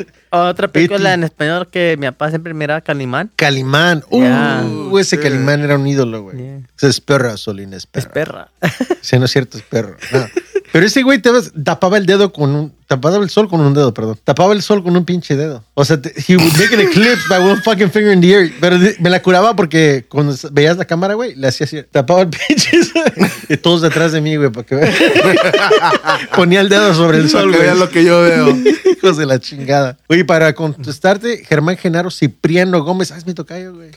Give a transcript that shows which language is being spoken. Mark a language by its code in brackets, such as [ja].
[es] Otra película en español que mi papá siempre miraba, Calimán. Calimán. Yeah. Ese yeah. Calimán era un ídolo, güey. Yeah. Es perra, Solín, es perra. Es perra. Sí, no es cierto, es perro. No. Pero ese güey tapaba el sol con un pinche dedo. O sea, [en] he would make an eclipse by one fucking finger in the air. [es] Pero me la curaba porque cuando veías la cámara, güey, le hacía así. Tapaba el pinche y todos detrás de mí, güey, para que ponía el dedo sobre el sol, güey. Vean lo que yo veo. Hijos de la chingada. Oye, para contestarte, Germán Genaro Cipriano Gómez. Ah, es mi tocayo, güey.